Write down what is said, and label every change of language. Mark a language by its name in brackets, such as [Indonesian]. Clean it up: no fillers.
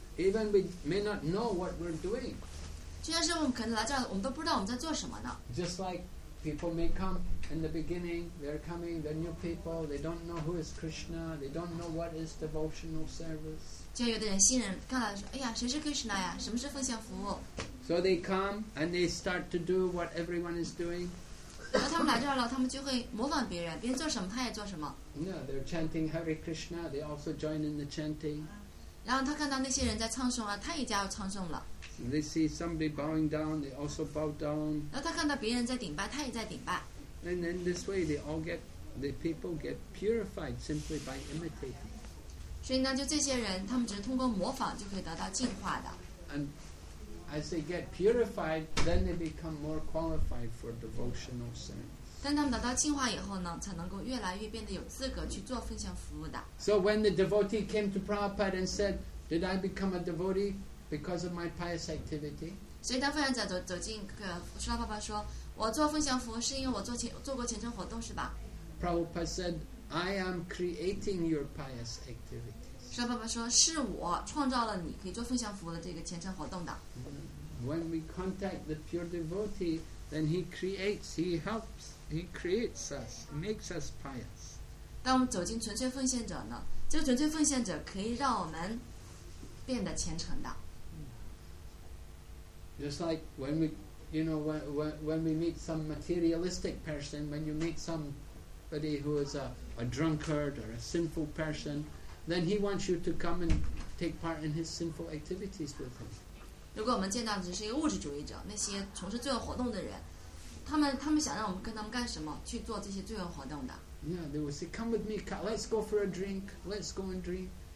[English] Even we may not know what we're doing. [Chinese] 就像是我们可能来这儿，我们都不知道我们在做什么呢。 [English] Just like people may come in the beginning, they're coming, they're new people, they don't know who is Krishna, they don't know what is devotional service. [Chinese] 就有的人新人刚来说，哎呀，谁是 Krishna 呀？什么是奉献服务 [English] ？So they come and they start to do what everyone is doing. [Chinese] 然后他们来这儿了，他们就会模仿别人，别人做什么，他也做什么。 [English] Yeah, they're chanting Hare Krishna. They also join in the chanting. [Chinese] 然后他看到那些人在唱诵啊，他也加入唱诵了。 [English] They see somebody bowing down. They also bow down. [Chinese] 然后他看到别人在顶拜，他也在顶拜。 [English] And in this way, they all get, the people get purified simply by imitating. [Chinese] 所以呢，就这些人，他们只是通过模仿就可以得到净化的。 [English] And as they get purified, then they become more qualified for devotional service. [Chinese] 当他们得到净化以后呢，才能够越来越变得有资格去做奉献服务的。 [English] So when the devotee came to Prabhupada and said, "Did I become a devotee because of my pious activity?" [Chinese] 所以当奉献者走进舒拉爸爸说，我做奉献服务是因为我做过虔诚活动，是吧 [English] ？Prabhupada said, "I am creating your pious activities." [Chinese] 舒拉爸爸说，是我创造了你可以做奉献服务的这个虔诚活动的。 [English] When we contact the pure devotee. Then he creates, he helps, he creates us, makes us pious. [Chinese] 当我们走进纯粹奉献者呢，这个纯粹奉献者可以让我们变得虔诚的。 [English] Just like when we, you know, when we meet some materialistic person, when you meet somebody who is a drunkard or a sinful person, then he wants you to come and take part in his sinful activities with him. [Chinese] 如果我们见到的只是一个物质主义者，那些从事罪恶活动的人，他们想让我们跟他们干什么？去做这些罪恶活动的。 [English] Yeah, they will say, "Come with me, let's go for a drink, let's go and drink."